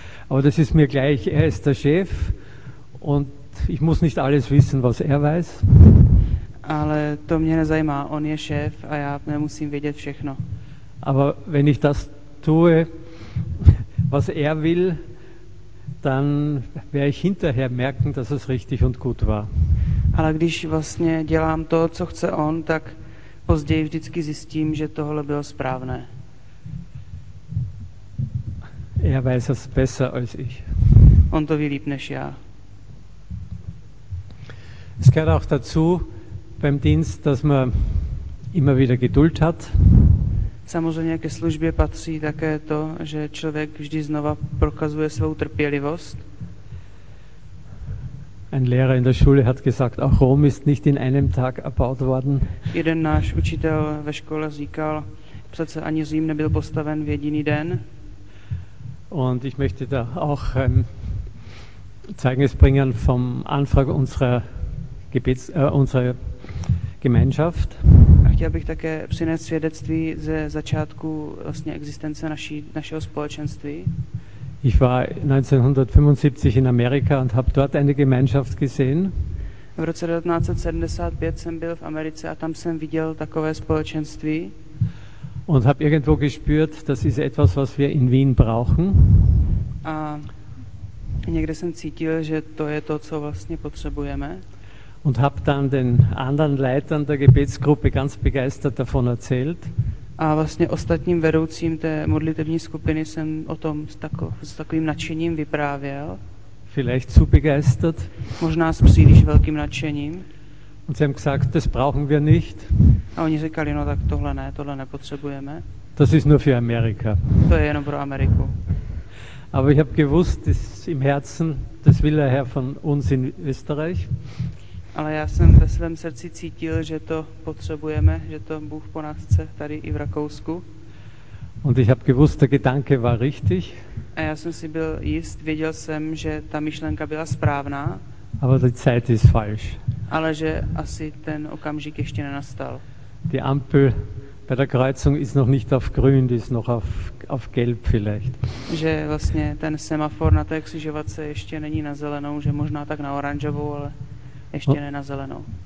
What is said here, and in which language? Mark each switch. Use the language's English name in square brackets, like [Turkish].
[German] Aber das ist mir gleich, er ist der Chef und ich muss nicht alles wissen, was er weiß. [Czech] Ale to mě nezajímá, on je šéf a já nemusím vědět všechno. [German] Aber wenn ich das tue, was er will, dann werde ich hinterher merken, dass es richtig und gut war. [Czech] Ale když vlastně dělám to, co chce on, tak později vždycky zjistím, že tohle bylo správné. [German] Er weiß es besser als ich. [Czech] On to ví líp než já. [German] Es gehört auch dazu beim Dienst, dass man immer wieder Geduld hat. [Czech] Samozřejmě ke službě patří také to, že člověk vždy znova prokazuje svou trpělivost. [German] Ein Lehrer in der Schule hat gesagt, auch Rom ist nicht in einem Tag erbaut worden. [Czech] Jeden náš učitel ve škole říkal, přece ani Řím nebyl postaven v jediný den. [German] Und ich möchte da auch Zeugnis bringen vom Anfang unserer Gebets unserer Gemeinschaft. [Czech] A chtěl bych také přinést svědectví ze začátku vlastně existence našeho společenství. [German] Ich war 1975 in Amerika und habe dort eine Gemeinschaft gesehen. [Czech] V roce 1975 jsem byl v Americe a tam jsem viděl takové společenství. [German] Und habe irgendwo gespürt, das ist etwas, was wir in Wien brauchen. [Czech] A někde jsem cítil, že to je to, co vlastně potřebujeme. [German] Und habe dann den anderen Leitern der Gebetsgruppe ganz begeistert davon erzählt. [Czech] A vlastně ostatním vedoucím té modlitevní skupiny jsem o tom s takovým nadšením vyprávěl. [German] Vielleicht zu begeistert. [Czech] Možná s příliš velkým nadšením. [German] Und sie haben gesagt, das brauchen wir nicht. [Czech] A oni říkali, no tak tohle ne, tohle nepotřebujeme. [German] Das ist nur für Amerika. [Czech] To je jenom pro Ameriku. [German] Aber ich habe gewusst, das im Herzen, das will der Herr von uns in Österreich. [Czech] Ale já jsem ve svém srdci cítil, že to potřebujeme, že to Bůh po nás chce tady i v Rakousku. [German] Und ich habe gewusst, der Gedanke war richtig. [Czech] A já jsem si byl jist, věděl jsem, že ta myšlenka byla správná. [German] Aber die Zeit ist falsch. [Czech] Ale že asi ten okamžik ještě nenastal. [German] Die Ampel bei der Kreuzung ist noch nicht auf grün, die ist noch auf gelb vielleicht. [Czech] Že vlastně ten semafor na té křižovatce ještě není na zelenou, že možná tak na oranžovou, ale ještě ne na zelenou.